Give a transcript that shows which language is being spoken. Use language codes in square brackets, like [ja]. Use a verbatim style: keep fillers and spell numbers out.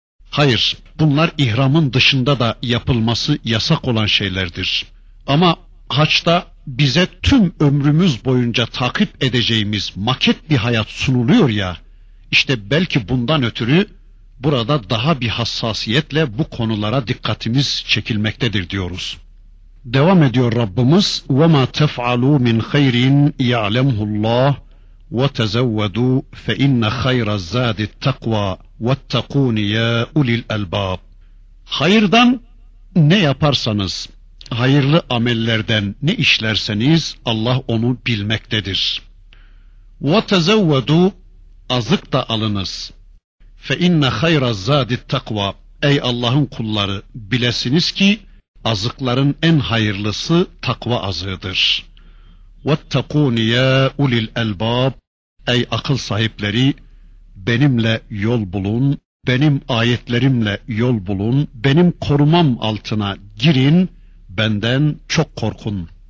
[tr] Hayır, bunlar ihramın dışında da yapılması yasak olan şeylerdir. Ama haçta bize tüm ömrümüz boyunca takip edeceğimiz maket bir hayat sunuluyor ya, işte belki bundan ötürü burada daha bir hassasiyetle bu konulara dikkatimiz çekilmektedir diyoruz. Devam ediyor Rabbimiz, [ar] وَمَا تَفْعَلُوا مِنْ خَيْرٍ يَعْلَمْهُ اللّٰهُ وَتَزَوَّدُوا فَاِنَّ خَيْرَ الزَّادِ التَّقْوَى وَاتَّقُونِ يَا اُلِي الْاَلْبَابِ [tr] Hayırdan ne yaparsanız, hayırlı amellerden ne işlerseniz Allah onu bilmektedir. وَتَزَوَّدُوا azık da alınız. [ar] فَاِنَّ خَيْرَ الزَّادِ التَّقْوَى [tr] Ey Allah'ın kulları, bilesiniz ki azıkların en hayırlısı takva azığıdır. [ar] وَاتَّقُونِ يَا اُلِي الْاَلْبَابِ [tr] Ey akıl sahipleri, benimle yol bulun, benim ayetlerimle yol bulun, benim korumam altına girin, benden çok korkun.